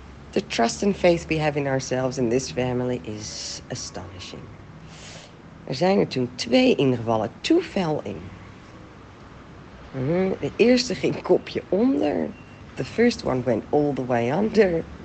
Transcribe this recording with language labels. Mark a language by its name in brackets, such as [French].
[English] The trust and faith we have in ourselves in this family is astonishing. [Dutch] Er zijn er toen 2 ingevallen, [English] 2 fell in. [Dutch] De eerste ging kopje onder. [English] The first one went all the way under.